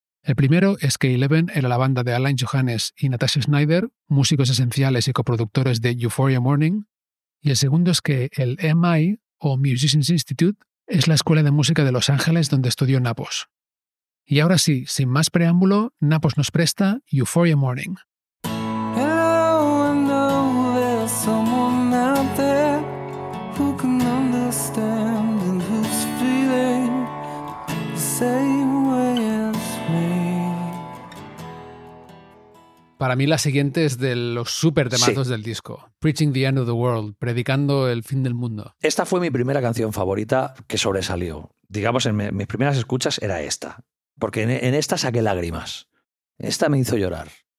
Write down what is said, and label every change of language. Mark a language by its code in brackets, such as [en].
[es] El primero es que Eleven era la banda de Alain Johannes y Natasha Schneider, músicos esenciales y coproductores de Euphoria Morning. Y el segundo es que el MI, o Musicians Institute, es la escuela de música de Los Ángeles donde estudió Napos. Y ahora sí, sin más preámbulo, Napos nos presta Euphoria Morning. [en] Hello, I know there's someone out there who can understand and who's feeling the same way as me. [es] Para mí la siguiente es de los súper temazos, sí, del disco. Preaching the End of the World, predicando el fin del mundo. Esta fue mi primera canción favorita que sobresalió. Digamos, en mis primeras escuchas era esta. Porque en esta saqué lágrimas. Esta me hizo llorar.